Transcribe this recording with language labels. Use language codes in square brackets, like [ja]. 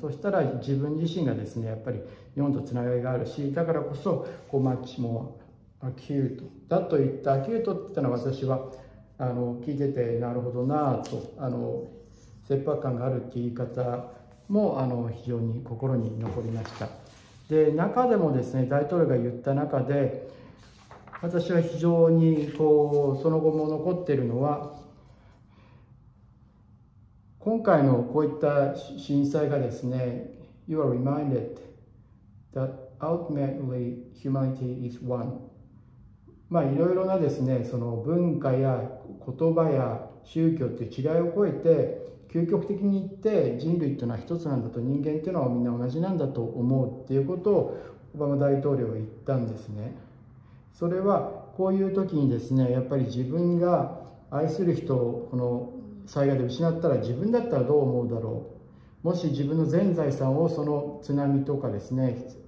[ja] そしたら自分自身がですね、やっぱり日本とつながりがあるし、だからこそこうマッチもアキュートだと言った、アキュートって言ったのは私は聞いてて、なるほどなぁと、切迫感があるって言い方も非常に心に残りました。で、中でもですね、大統領が言った中で私は非常にこうその後も残っているのは、今回のこういった震災がですね、 [en] You are reminded that ultimately humanity is one。 [ja] まあ、いろいろなですね、その文化や言葉や宗教という違いを超えて、究極的に言って人類というのは一つなんだと、人間というのはみんな同じなんだと思うということをオバマ大統領は言ったんですね。それはこういう時にですね、やっぱり自分が愛する人をこの災害で失ったら、自分だったらどう思うだろう、もし自分の全財産をその津波とかですね、